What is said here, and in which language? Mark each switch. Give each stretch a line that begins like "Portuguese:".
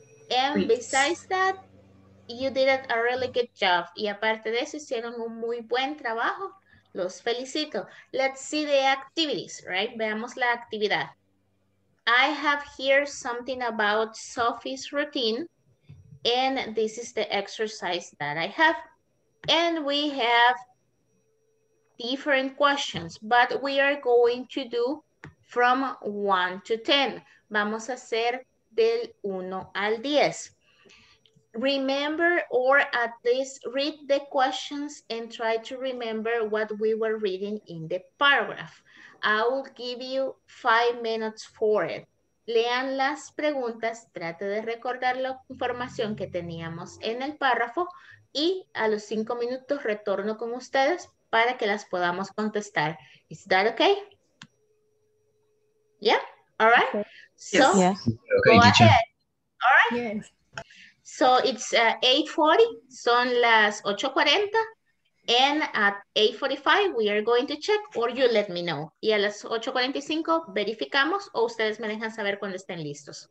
English: And besides that, you did a really good job.
Spanish: Y aparte de eso, hicieron un muy buen trabajo. Los felicito.
English: Let's see the activities, right?
Spanish: Veamos la actividad.
English: I have here something about Sophie's routine. And this is the exercise that I have. And we have different questions, but we are going to do from 1 to 10.
Spanish: Vamos a hacer del 1 al 10.
English: Remember, or at least read the questions and try to remember what we were reading in the paragraph. I will give you 5 minutes for it.
Spanish: Lean las preguntas, trate de recordar la información que teníamos en el párrafo y a los 5 minutos retorno con ustedes para que las podamos contestar.
English: Is that okay? Yeah? All right? Okay. So, yes. Go ahead. All right? Yes. So, it's 8:40.
Spanish: Son las 8:40.
English: And at 8:45, we are going to check, or you let me know.
Spanish: Y a las 8:45, verificamos, o ustedes me dejan saber cuando estén listos.